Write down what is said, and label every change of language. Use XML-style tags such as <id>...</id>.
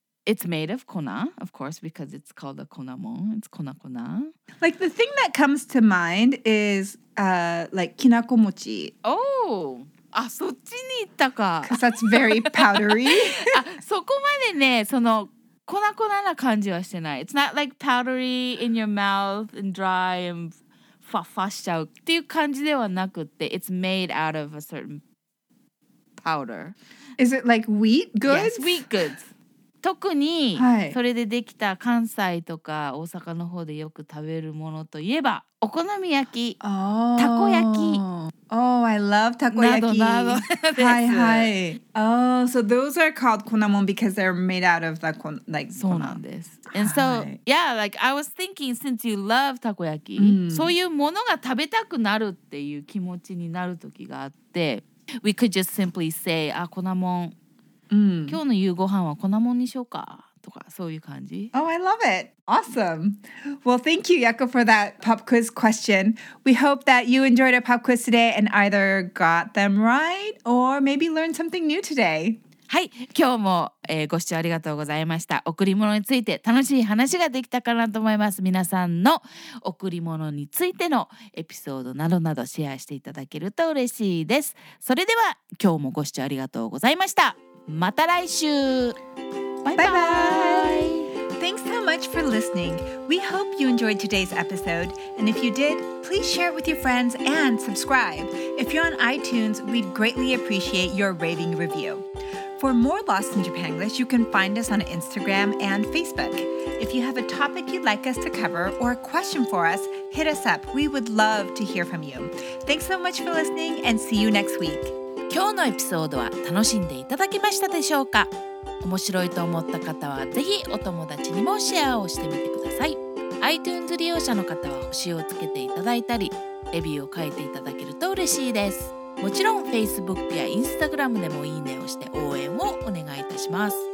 <en>It's made of kona, of course, because it's called a konamon. It's kona kona. Like the thing that comes to mind is like kinako mochi.</en> <ja>Oh, あ、そっちに行ったか。</ja> <en>Because that's very powdery.</en> <ja>あ、そこまでね、その粉粉な感じはしてない。</ja> <en>It's not like powdery in your mouth and dry and</en> <ja>ふわふわしちゃうっていう感じではなくて、</ja> <en>It's made out of a certain powder. Is it like wheat goods? Yes, wheat goods.</en> <ja>特にそれでできた関西とか大阪の方でよく食べるものといえばお好み焼き、 oh. たこ焼き。</ja> <en>Oh, I love たこ焼き。</en> <ja>などなどです。はいはい。</ja> <en>Oh, so those are called 粉もん because they're made out of the like 粉。</en> <ja>そうなんです。</ja> <en>And so, yeah, like I was thinking since you love</en> <ja>たこ焼き、そういうものが食べたくなるっていう気持ちになる時があって、</ja> <en>We could just simply say,</en> <ja>あ、粉もん。うん、今日の夕ご飯は粉もんにしようかとかそういう感じ。</ja> <en>Oh, I love it. Awesome. Well, thank you, Yako, for that pop quiz question. We hope that you enjoyed our pop quiz today and either got them right or maybe learned something new today.</en> <ja>はい、今日も、ご視聴ありがとうございました。贈り物について楽しい話ができたかなと思います。皆さんの贈り物についてのエピソードなどなどシェアしていただけると嬉しいです。それでは今日もご視聴ありがとうございました。また来週。</ja> <en>Bye-bye. Thanks so much for listening. We hope you enjoyed today's episode. And if you did, please share it with your friends and subscribe. If you're on iTunes, we'd greatly appreciate your rating review. For more Lost in Japanglish, you can find us on Instagram and Facebook. If you have a topic you'd like us to cover or a question for us, hit us up. We would love to hear from you. Thanks so much for listening and see you next week.</en> <ja>今日のエピソードは楽しんでいただけましたでしょうか。面白いと思った方はぜひお友達にもシェアをしてみてください。 iTunes 利用者の方は星をつけていただいたりレビューを書いていただけると嬉しいです。もちろん Facebook や Instagram でもいいねをして応援をお願いいたします。</ja>